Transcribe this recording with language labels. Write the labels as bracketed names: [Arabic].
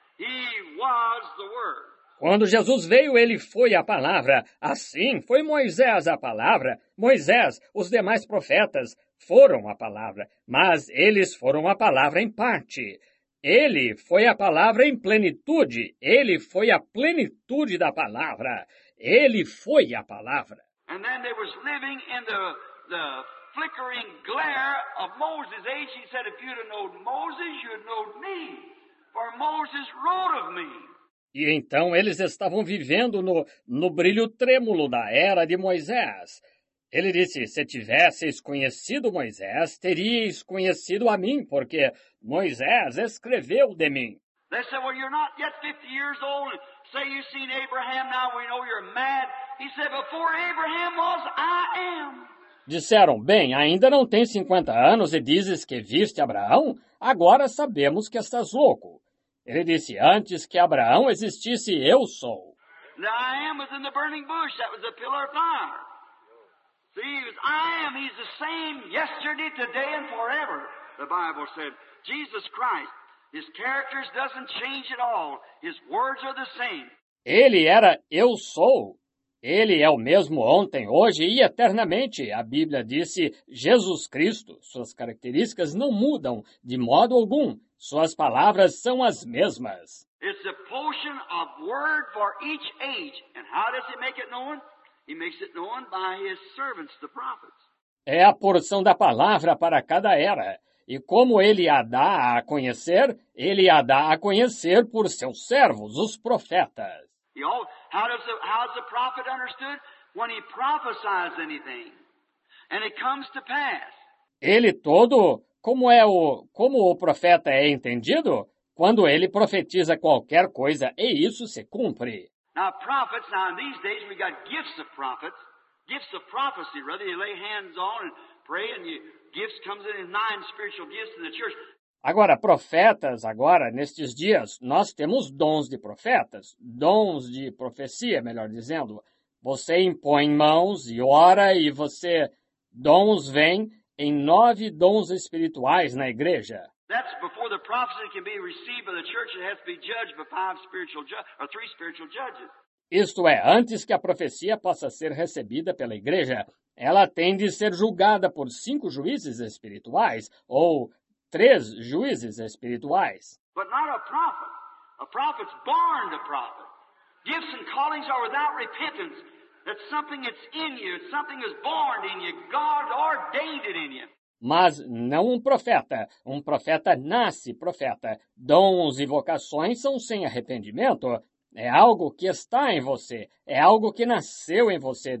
[English] He was the word. [Portuguese] Quando Jesus veio, ele foi a palavra. Assim, foi Moisés a palavra. Moisés, os demais profetas, foram a palavra. Mas eles foram a palavra em parte. Ele foi a palavra em plenitude. Ele foi a plenitude da palavra. Ele foi a palavra. [English] And then they was living in the flickering glare of Moses' age. He said, if you'd have known Moses, you'd have known me. For Moses wrote of me. [Portuguese] E então eles estavam vivendo no brilho trêmulo da era de Moisés. Ele disse, se tivesseis conhecido Moisés, teríeis conhecido a mim, porque Moisés escreveu de mim. [English] They said, well, you're not yet 50 years old. Say you've seen Abraham, now we know you're mad. He said, before Abraham was, I am. [Portuguese] Disseram, bem, ainda não tens 50 anos e dizes que viste Abraão? Agora sabemos que estás louco. Ele disse, antes que Abraão existisse, eu sou. [English] I am was in the burning bush, that was a pillar of fire. See, he was, I am, he's the same yesterday, today and forever, the Bible said. Jesus Christ, his characters doesn't change at all, his words are the same. [Portuguese] Ele era, eu sou. Ele é o mesmo ontem, hoje e eternamente. A Bíblia disse, Jesus Cristo, suas características não mudam de modo algum. Suas palavras são as mesmas. [English] It's a portion of word for each age. And how does he make it known? He makes it known by his servants, the prophets. [Portuguese] É a porção da palavra para cada era. E como ele a dá a conhecer? Ele a dá a conhecer por seus servos, os profetas. [English] How does the prophet understood? When he prophesies anything. And it comes to pass. [Portuguese] Ele todo... Como o profeta é entendido? Quando ele profetiza qualquer coisa, e isso se cumpre. [English] Now, prophets, now in these days we got gifts of prophets. Gifts of prophecy, rather. You lay hands on and pray and you, gifts comes in 9 spiritual gifts in the church. [Portuguese] Agora, profetas, agora, nestes dias, nós temos dons de profetas. Dons de profecia, melhor dizendo. Você impõe mãos e ora e você... Dons vêm... em 9 dons espirituais na igreja. [English] That's before the prophecy can be received by the church, it has to be judged by 5 spiritual judges or 3 spiritual judges. [Portuguese] Isto é, antes que a profecia possa ser recebida pela igreja, Ela tem de ser julgada por 5 juízes espirituais ou 3 juízes espirituais. [English] But not a prophet. A prophet's born a prophet. Gifts and callings are without repentance. That's something that's in you. Something is born in you. God ordained it in you. [Portuguese] Mas não um profeta. Um profeta nasce profeta. Dons e vocações são sem arrependimento. É algo que está em você. É algo que nasceu em você.